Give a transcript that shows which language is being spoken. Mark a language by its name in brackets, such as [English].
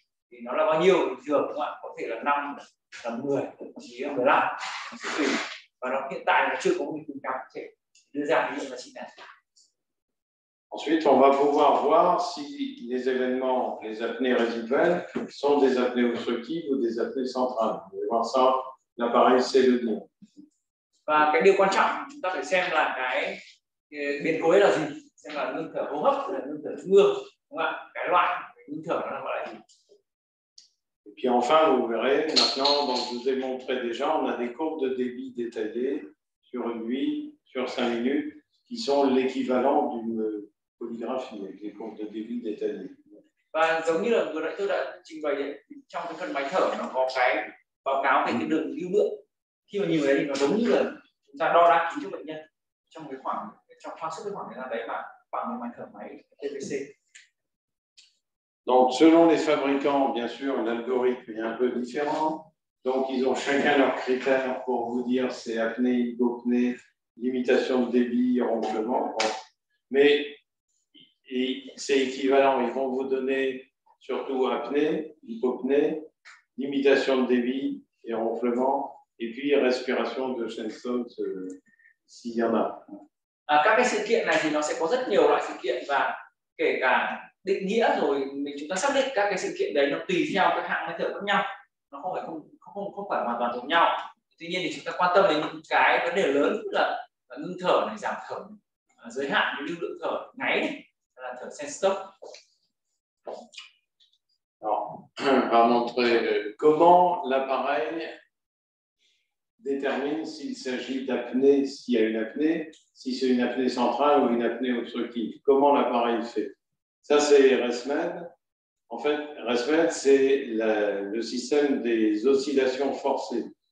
[Vietnamese] Thì nó là bao nhiêu bình thường đúng không ạ? Có thể là 5, là 10, thậm chí là 15, nó sẽ tùy. Và nó hiện tại nó chưa có một khuyến cáo có thể đưa ra những giá trị này. [French] Ensuite, on va pouvoir voir si les événements, les apnées résiduelles, sont des apnées obstructives ou des apnées centrales. On va voir ça, l'appareil cellulaire. [Vietnamese] Và cái điều quan trọng, chúng ta phải xem là cái biến cố là gì? Xem là ngưng thở hô hấp hay là ngưng thở trung ương, đúng không ạ? Cái loại ngưng thở nó gọi là gì? [French] Et puis enfin, vous verrez, maintenant, donc, je vous ai montré déjà, on a des courbes de débit détaillées sur une nuit, sur 5 minutes, qui sont l'équivalent d'une polygraphie, avec des courbes de débit détaillées. [Vietnamese] Và giống như là vừa nãy tôi đã trình bày, trong cái phần máy thở, nó có cái báo cáo về cái đường lưu lượng. Khi mà nhìn thấy thì nó giống như là chúng ta đo đạc kính cho bệnh nhân trong cái khoảng, trong khoảng sức cái khoảng thời gian đấy mà bằng một máy thở máy TPC. [French] Donc, selon les fabricants, bien sûr, l'algorithme est un peu différent. Donc, ils ont chacun leurs critères pour vous dire c'est apnée, hypopnée, limitation de débit, ronflement. Bon. Mais et c'est équivalent, ils vont vous donner surtout apnée, hypopnée, limitation de débit et ronflement, et puis respiration de Shenstone, s'il y en a. [Vietnamese] Các cái sự kiện này thì nó sẽ có rất nhiều loại sự kiện và kể cả định nghĩa rồi mình chúng ta xác định các cái sự kiện đấy nó tùy theo các hạng máy thở khác nhau, nó không phải không phải hoàn toàn giống nhau. Tuy nhiên thì chúng ta quan tâm đến những cái vấn đề lớn là ngưng thở này, giảm thở, giới hạn cái lưu lượng thở, ngáy này, là thở Shenstone. [French] Alors, on va montrer comment l'appareil détermine s'il s'agit d'apnée, s'il y a une apnée, si c'est une apnée centrale ou une apnée obstructive. Comment l'appareil fait? Ça, c'est ResMed. En fait, ResMed, c'est le système des oscillations forcées.